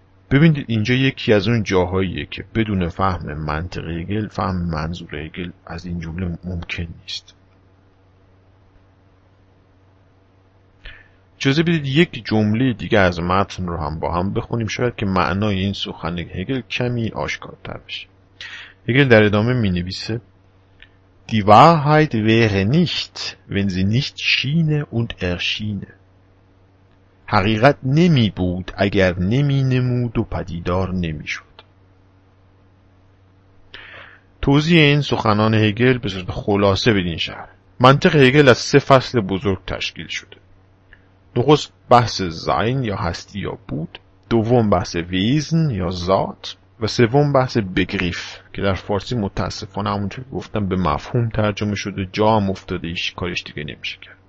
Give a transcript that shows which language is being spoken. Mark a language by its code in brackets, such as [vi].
[fa] ببینید اینجا یکی از اون جاهاییه که بدون فهم منطق هگل فهم منظور هگل از این جمله ممکن نیست. اجازه بدید یک جمله دیگه از متن رو هم با هم بخونیم، شاید که معنای این سخن هگل کمی آشکارتر بشه. هگل در ادامه می نویسه: [de] Die Wahrheit wäre nicht, wenn sie nicht schiene und erschiene. [fa] حقیقت نمی بود اگر نمی نمود و پدیدار نمی شد. توضیح این سخنان هگل به صورت خلاصه بدین شهر. منطق هگل از سه فصل بزرگ تشکیل شده. نخست بحث زاین یا هستی یا بود، دوم بحث ویزن یا ذات و سوم بحث بگریف که در فارسی متاسفانه همونطور گفتم به مفهوم ترجمه شده، جا هم افتاده، ایش کارش دیگه نمیشه کرد.